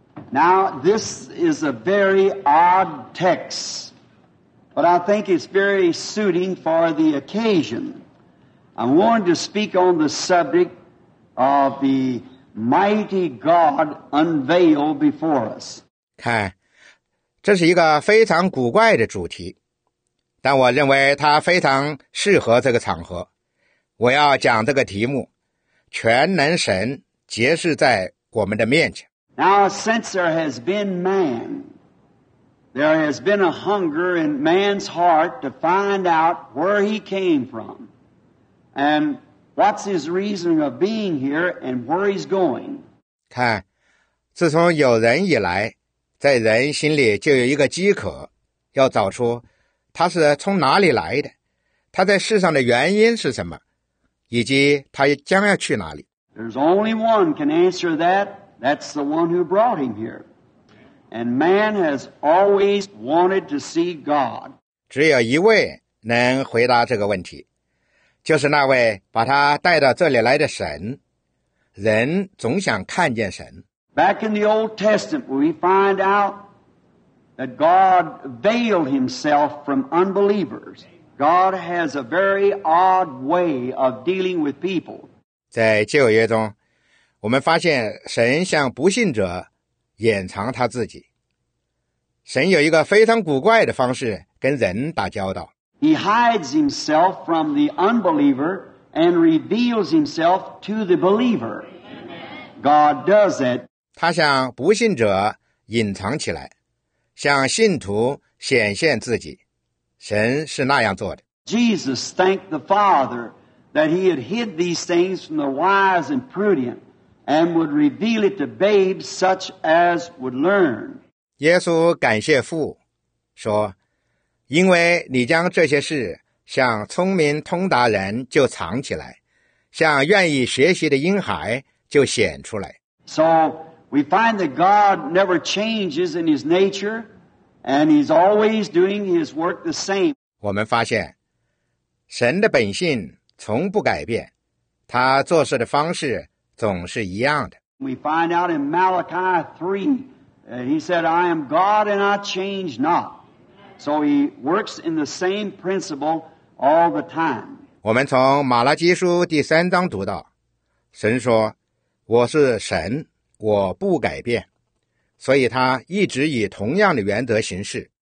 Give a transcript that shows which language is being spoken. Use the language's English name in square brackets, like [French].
[English] Now, this is a very odd text, but I think it's very suiting for the occasion. I'm going to speak on the subject of the mighty God unveiled before us. [Chinese] 看，这是一个非常古怪的主题，但我认为它非常适合这个场合。我要讲这个题目，全能神揭示在我们的面前。 [English] Now, since there has been man, there has been a hunger in man's heart to find out where he came from, and what's his reason of being here, and where he's going. [Chinese] 看，自从有人以来，在人心里就有一个饥渴，要找出他是从哪里来的，他在世上的原因是什么，以及他将要去哪里。 [English] There's only one can answer that. That's the one who brought him here. And man has always wanted to see God. [Chinese] 只有一位能回答这个问题，就是那位把他带到这里来的神。人总想看见神。 [English] Back in the Old Testament, we find out that God veiled himself from unbelievers. God has a very odd way of dealing with people. [Chinese] 在旧约中，我们发现神向不信者掩藏他自己。神有一个非常古怪的方式跟人打交道。 [English] He hides himself from the unbeliever and reveals himself to the believer. God does it. [Chinese] 他向不信者隐藏起来，向信徒显现自己。神是那样做的。 [English] Jesus thanked the Father that he had hid these things from the wise and prudent. And would reveal it to babes such as would learn. [Chinese] 耶稣感谢父，说：“因为你将这些事向聪明通达人就藏起来，向愿意学习的婴孩就显出来。” [English] So we find that God never changes in His nature, and He's always doing His work the same. [Chinese] 我们发现，神的本性从不改变，他做事的方式。总是一样的。 [English] We find out in Malachi 3, he said, I am God and I change not. So he works in the same principle all the time. [Chinese] 我们从马拉基书第三章读到，神说，我是神，我不改变。所以他一直以同样的原则行事。